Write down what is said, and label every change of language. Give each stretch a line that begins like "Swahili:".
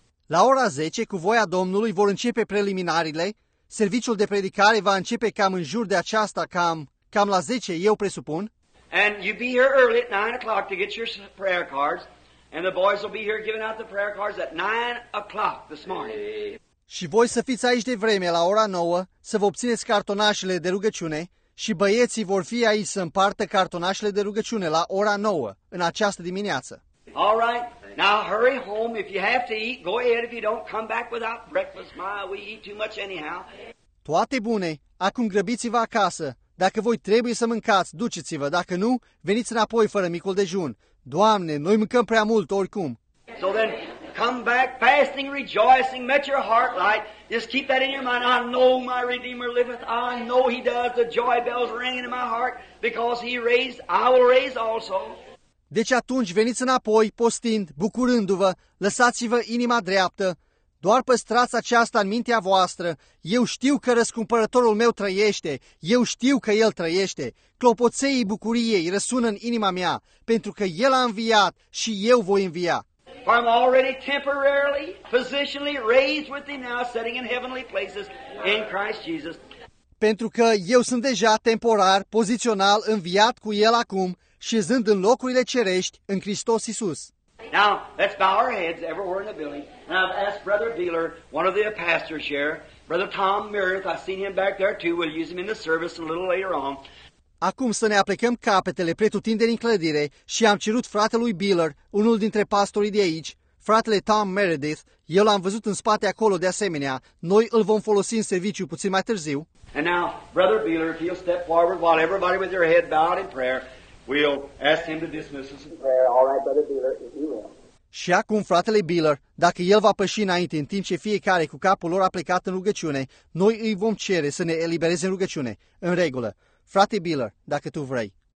Romanian: La ora 10, cu voia Domnului, vor începe preliminariile. Serviciul de predicare va începe cam în jur de aceasta, cam la 10, eu presupun.
English: And you be here early at 9 o'clock to get your prayer cards. And the boys will be here giving out the prayer cards at 9 o'clock this morning.
Romanian: Și voi să fiți aici de vreme, la ora 9, să vă obțineți cartonașele de rugăciune. Și băieții vor fi aici să împartă cartonașele de rugăciune la ora 9, în această dimineață.
English: All right. Now hurry home. If you have to eat, go ahead. If you don't, come back without breakfast. My, we eat too much anyhow.
Romanian: Toate bune. Acum grăbiți-vă acasă. Dacă voi trebuie să mâncați, duceți-vă. Dacă nu, veniți înapoi fără micul dejun. Doamne, noi mâncăm prea mult oricum.
English: So then, come back fasting, rejoicing, met your heart light. Just keep that in your mind. I know my Redeemer liveth. I know he does. The joy bells ring in my heart because he raised. I will raise also.
Romanian: Deci atunci veniți înapoi, postind, bucurându-vă, lăsați-vă inima dreaptă, doar păstrați aceasta în mintea voastră: eu știu că răscumpărătorul meu trăiește, eu știu că el trăiește, clopoței bucuriei răsună în inima mea, pentru că el a înviat și eu voi învia.
English: I'm already temporarily, positionally raised with him now, sitting in heavenly places in Christ Jesus.
Romanian: Pentru că eu sunt deja temporar, pozițional, înviat cu el acum, șezând în locurile cerești în Hristos Iisus.
English: Now, let's bow our heads everywhere in the building. And I've asked Brother Beeler, one of the pastors here, Brother Tom Meredith, I've seen him back there too, we'll use him in the service a little later on.
Romanian: Acum să ne aplicăm capetele pretutindeni în clădire și am cerut fratelui Beeler, unul dintre pastorii de aici, fratele Tom Meredith, eu l-am văzut în spate acolo de asemenea, noi îl vom folosi în serviciu puțin mai târziu.
English: And now, Brother Beeler, if you'll step forward while everybody with your head bowed in prayer, we'll ask him to dismiss us in prayer. All right, Brother Beeler, if you will.
Romanian: Și acum, fratele Beeler, dacă el va păși înainte în timp ce fiecare cu capul lor a plecat în rugăciune, noi îi vom cere să ne elibereze în rugăciune. În regulă. Frate Beeler, dacă tu vrei.